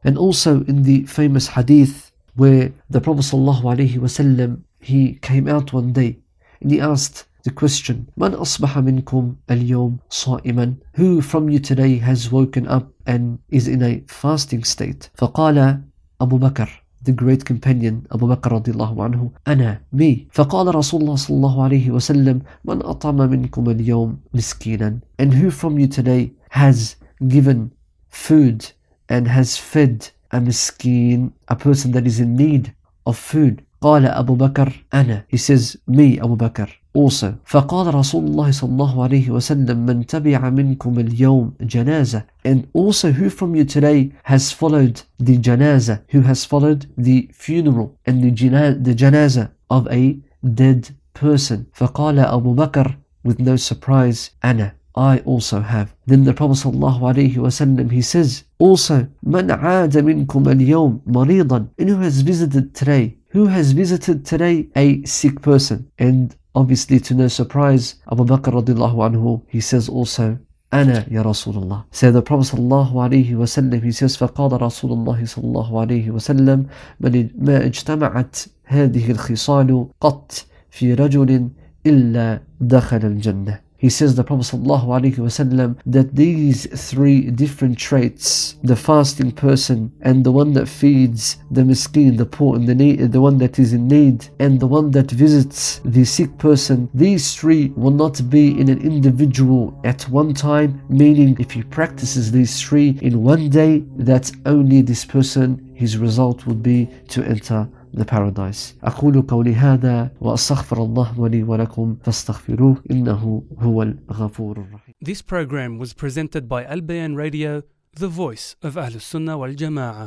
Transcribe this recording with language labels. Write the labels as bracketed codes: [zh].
[en] And also in the famous hadith where the Prophet sallallahu alayhi wa sallam, he came out one day and he asked the question, [ar] من أصبح منكم اليوم صائما? [en] Who from you today has woken up and is in a fasting state? [ar] فقال أبو بكر, [en] the great companion Abu Bakr radiallahu anhu, ana, me. [ar] فقال رسول الله صلى الله عليه وسلم, من أطعم منكم اليوم مسكينا? [en] And who from you today has given food and has fed a miskin, a person that is in need of food? [ar] قال أبو بكر, [en] ana, he says, me, Abu Bakr. Also, [ar] فقال رسول الله صلى الله عليه وسلم, من تبع منكم اليوم جنازة. [en] And also, who from you today has followed the janazah, who has followed the funeral and the janazah of a dead person? [ar] فقال أبو بكر, [en] with no surprise, أنا, I also have. Then the Prophet sallallahu alayhi wa sallam, he says, also, [ar] من عاد منكم اليوم مريضا, [en] and who has visited today? Who has visited today a sick person? And obviously, to no surprise, Abu Bakr radiallahu anhu, he says also, ana ya Rasulullah. Say the Prophet sallallahu alayhi wa sallam, he says, [ar] فقال رسول الله صلى الله عليه وسلم, ما اجتمعت هذه الخصال قط في رجل إلا دخل الجنة. [en] He says the Prophet sallallahu alayhi wa sallam that these three different traits, the fasting person and the one that feeds the miskeen, the poor and the need, the one that is in need, and the one that visits the sick person, these three will not be in an individual at one time, meaning if he practices these three in one day, that only this person, his result would be to enter the paradise. [ar] أقول قولي هذا وأستغفر الله لي ولكم فاستغفروه إنه هو الغفور الرحيم. [en] This program was presented by Al Bayan Radio, the voice of Ahlus Sunnah wal Jama'ah.